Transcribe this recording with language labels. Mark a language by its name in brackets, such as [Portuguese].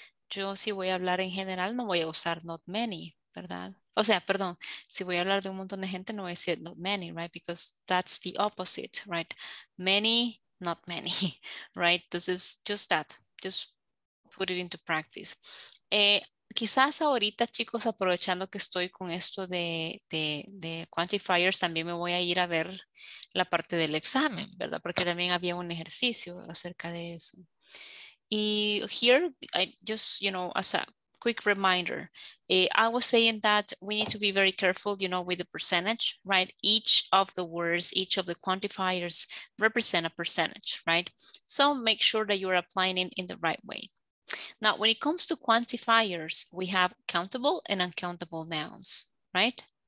[Spanish] Yo si voy a hablar en general, no voy a usar [English] not many, [Spanish] ¿verdad? O sea, perdón, si voy a hablar de un montón de gente, no voy a decir [English] not many, right, because that's the opposite, right, many, not many, right? Entonces, just that, just put it into practice. [Spanish] Quizás ahorita, chicos, aprovechando que estoy con esto de quantifiers, también me voy a ir a ver la parte del examen, ¿verdad? Porque también había un ejercicio acerca de eso. [English] Y here, I just, you know, as a quick reminder, I was saying that we need to be very careful, you know, with the percentage, right? Each of the words, each of the quantifiers represent a percentage, right? So make sure that you're applying it in the right way. Now, when it comes to quantifiers, we have countable and uncountable nouns, right?